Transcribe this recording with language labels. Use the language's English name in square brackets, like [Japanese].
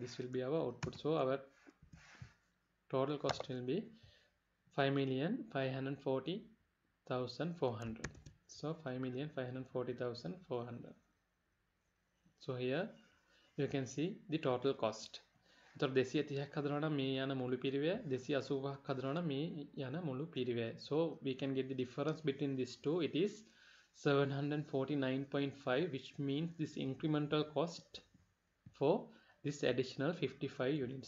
[English] This will be our output. So our total cost will be 5,540,400. So 5,540,400. So here you can see the total cost. [Sinhala] එතකොට 230ක් හදනවා නම් මේ යන මුළු පිරිවැය 285ක් හදනවා නම් මේ යන මුළු පිරිවැය. [English] So we can get the difference between these two. It is 749.5, which means this incremental cost for this additional 55 units.